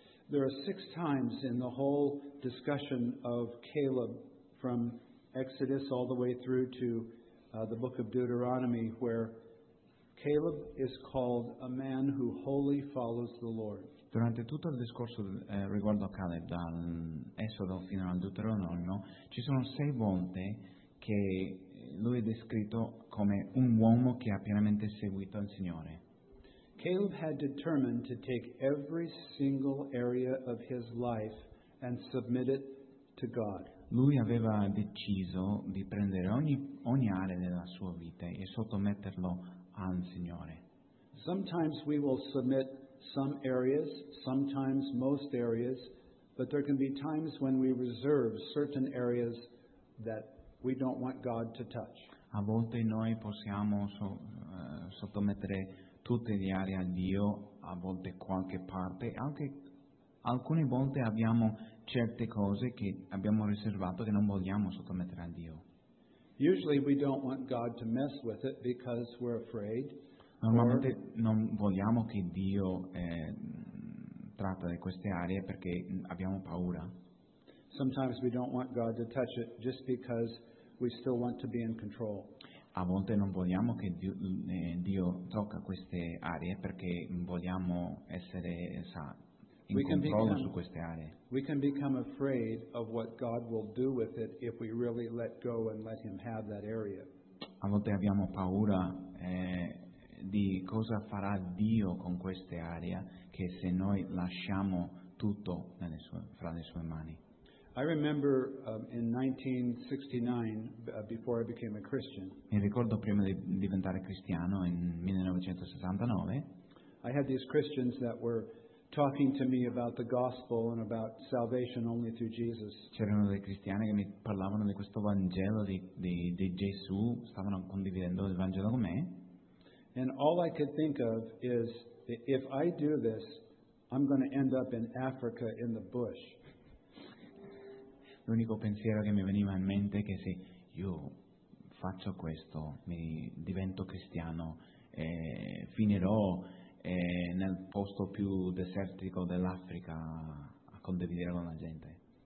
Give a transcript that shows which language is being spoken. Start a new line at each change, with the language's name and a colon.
English: There are 6 times in the whole discussion of Caleb from Exodus all the way through to the book of Deuteronomy where Caleb is called a man who wholly follows the Lord.
Italian: Durante tutto il discorso riguardo a Caleb, dal Esodo fino al Deuteronomio, ci sono 6 volte che lui è descritto come un uomo che ha pienamente seguito il Signore.
English: Caleb had determined to take every single area of his life and submit it to God.
Italian: Lui aveva deciso di prendere ogni area della sua vita e sottometterlo al Signore.
English: Sometimes we will submit some areas, sometimes most areas But there can be times when we reserve certain areas that we don't want God to touch.
Italian: A volte noi possiamo sottomettere tutte le aree a Dio, a volte qualche parte, anche alcune volte abbiamo certe cose che abbiamo riservato che non vogliamo sottomettere a Dio.
English: Usually we don't want God to mess with it because we're afraid.
Italian: Normalmente non vogliamo che Dio tratta di queste aree perché abbiamo paura.
English: Sometimes we don't want God to touch it just because we still want to be in control.
Italian: A volte non vogliamo che Dio tocca queste aree perché vogliamo essere in controllo su queste aree.
English: We can become afraid of what God will do with it if we really let go and let Him have that area.
Italian: A volte abbiamo paura di cosa farà Dio con queste aree che se noi lasciamo tutto fra le sue mani.
English: I remember in 1969, before I became a Christian.
Italian: Mi ricordo prima di diventare cristiano in 1969.
English: I had these Christians that were talking to me about the gospel and about salvation only through Jesus.
Italian: C'erano dei cristiani che mi parlavano di questo Vangelo di Gesù, stavano condividendo il Vangelo con me.
English: And all I could think of is, if I do this, I'm going to end up in Africa in the bush.
Italian: L'unico pensiero che mi veniva in mente è che se io faccio questo, mi divento cristiano, finirò nel posto più desertico dell'Africa a condividere con la gente.